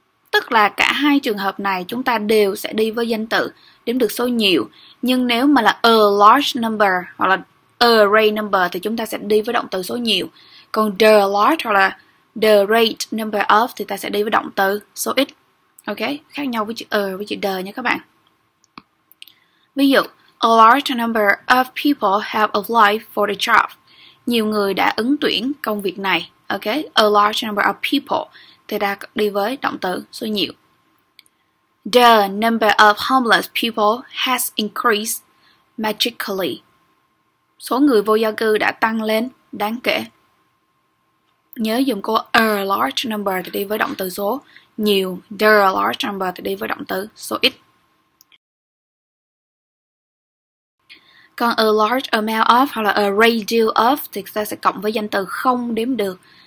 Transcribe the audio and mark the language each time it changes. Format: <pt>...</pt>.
<vi>Tức là cả hai trường hợp này chúng ta đều sẽ đi với danh từ đếm được số nhiều. Nhưng nếu mà là a large number hoặc là a great number thì chúng ta sẽ đi với động từ số nhiều. Còn the large hoặc là the great number of thì ta sẽ đi với động từ số ít. Ok, khác nhau với chữ a với chữ the nha các bạn. Ví dụ,</vi> <en>a large number of people have applied for the job.</en> <vi>Nhiều người đã ứng tuyển công việc này. Ok,</vi> <en>a large number of people</en> <vi>thì ta đi với động từ số nhiều.</vi> <en>The number of homeless people has increased magically.</en> <vi>Số người vô gia cư đã tăng lên đáng kể. Nhớ dùng câu a large number thì đi với động từ số nhiều, the large number thì đi với động từ số ít. Còn a large amount of hoặc là a great deal of thì ta sẽ cộng với danh từ không đếm được.</vi>